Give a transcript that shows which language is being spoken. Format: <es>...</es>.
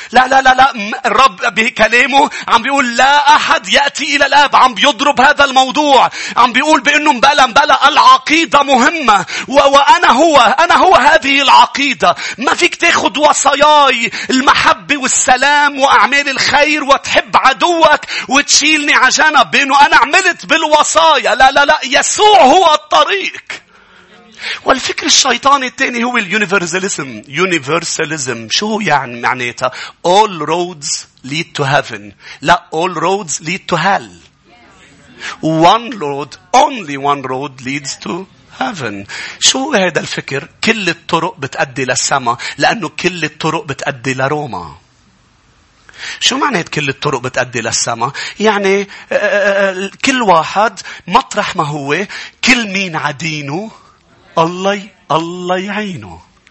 <ar>لا لا لا لا, الرب بكلامه عم بيقول لا احد يأتي الى الاب, عم بيضرب هذا الموضوع, عم بيقول بانه مبلا العقيدة مهمة, وانا هو, انا هو هذه العقيدة. ما فيك تاخد وصاياي المحبة والسلام واعمال الخير وتحب عدوك وتشيلني عجنب بانه انا عملت بالوصايا. لا لا لا, يسوع هو الطريق. والفكر الشيطاني الثاني هو اليونيفرساليزم. يونيفرساليزم شو يعني معناتها؟</ar> <en>all roads lead to heaven,</en> <ar>لا</ar> <en>all roads lead to hell. one road, only one road leads to heaven.</en> <ar>شو هذا الفكر؟ كل الطرق بتأدي للسما لأنه كل الطرق بتأدي لروما. شو معنى كل الطرق بتأدي للسما؟ يعني كل واحد مطرح ما هو، كل مين عدينه الله يعينه.</ar>